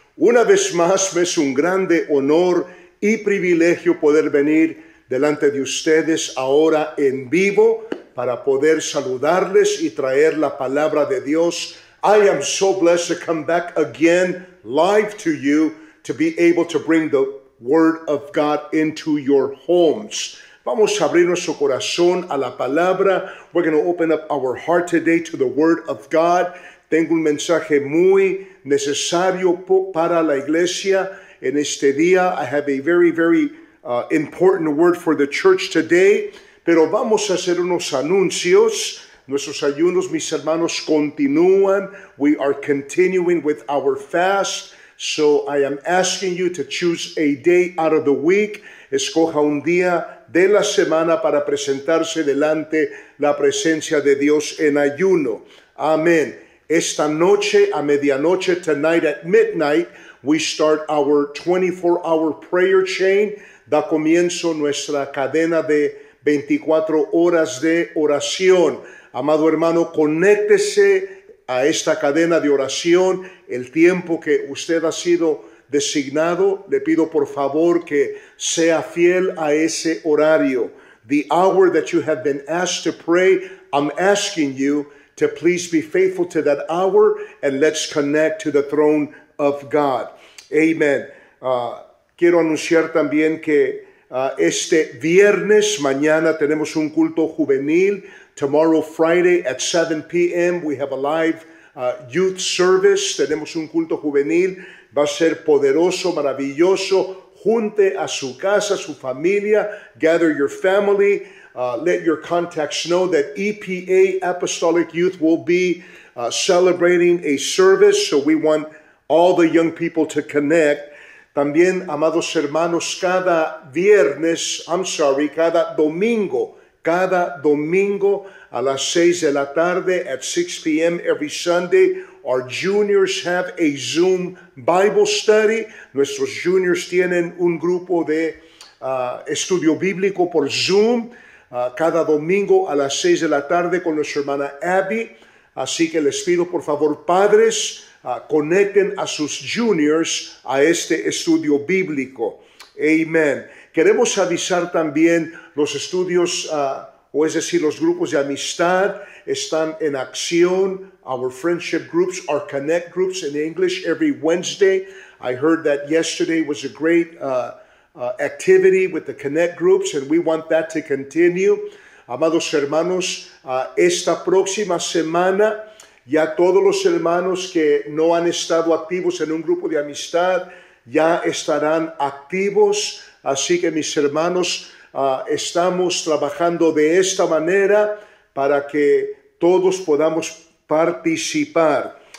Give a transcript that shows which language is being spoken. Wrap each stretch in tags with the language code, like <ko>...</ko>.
<es>Una vez más, me es un grande honor y privilegio poder venir delante de ustedes ahora en vivo para poder saludarles y traer la palabra de Dios.</es> <en>I am so blessed to come back again live to you to be able to bring the Word of God into your homes.</en> <es>Vamos a abrir nuestro corazón a la palabra.</es> <en>We're going to open up our heart today to the Word of God.</en> <es>Tengo un mensaje muy necesario para la iglesia en este día.</es> <en>I have a very, very important word for the church today.</en> <es>Pero vamos a hacer unos anuncios. Nuestros ayunos, mis hermanos, continúan.</es> <en>We are continuing with our fast. So I am asking you to choose a day out of the week.</en> <es>Escoja un día de la semana para presentarse delante la presencia de Dios en ayuno. Amén. Esta noche a medianoche,</es> <en>tonight at midnight, we start our 24-hour prayer chain.</en> <es>Da comienzo nuestra cadena de 24 horas de oración. Amado hermano, conéctese a esta cadena de oración. El tiempo que usted ha sido designado, le pido por favor que sea fiel a ese horario.</es> <en>The hour that you have been asked to pray, I'm asking you to please be faithful to that hour and let's connect to the throne of God. Amen.</en> <es>Quiero anunciar también que este viernes mañana tenemos un culto juvenil.</es> <en>Tomorrow Friday at 7 p.m. we have a live youth service.</en> <es>Tenemos un culto juvenil. Va a ser poderoso, maravilloso. Junte a su casa, a su familia.</es> <en>Gather your family. Let your contacts know that EPA Apostolic Youth will be celebrating a service. So we want all the young people to connect.</en> <es>También, amados hermanos, cada domingo a las 6 de la tarde,</es> <en>at 6 p.m. every Sunday, our juniors have a Zoom Bible study.</en> <es>Nuestros juniors tienen un grupo de estudio bíblico por Zoom cada domingo a las 6 de la tarde con nuestra hermana Abby. Así que les pido, por favor, padres, conecten a sus juniors a este estudio bíblico. Amen. Queremos avisar también los estudios, o es decir, los grupos de amistad están en acción.</es> <en>Our friendship groups, our connect groups in English every Wednesday. I heard that yesterday was a great activity with the connect groups, and we want that to continue.</en> <es>Amados hermanos, esta próxima semana ya todos los hermanos que no han estado activos en un grupo de amistad ya estarán activos. Así que mis hermanos, estamos trabajando de esta manera para que todos podamos participar.</es>